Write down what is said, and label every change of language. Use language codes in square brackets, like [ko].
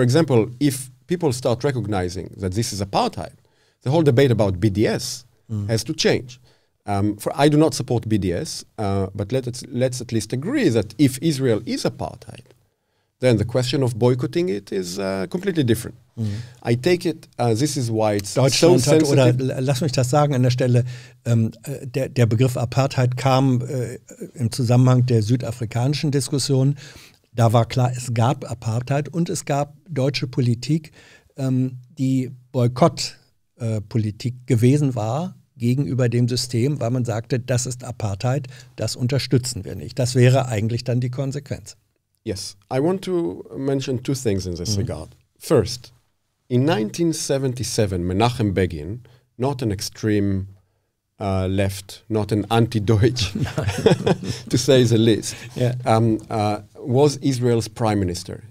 [en] For example, if people start recognizing that this is apartheid, the whole debate about BDS has to change. I do not support BDS, but let's at least agree that if Israel is apartheid, then the question of boycotting it is completely different. Mm. I take it, this is why it's [de] Deutschland [en] so sensitive. [de] Oder lass mich das sagen an der Stelle, der Begriff Apartheid kam im Zusammenhang der südafrikanischen Diskussion. Da war klar, es gab Apartheid und es gab deutsche Politik, die Boykottpolitik gewesen war gegenüber dem System, weil man sagte, das ist Apartheid, das unterstützen wir nicht. Das wäre eigentlich dann die Konsequenz. [en] Yes, I want to mention two things in this regard. First, in 1977, Menachem Begin, not an extreme left, not an anti-Deutsch, to say the least, was Israel's prime minister.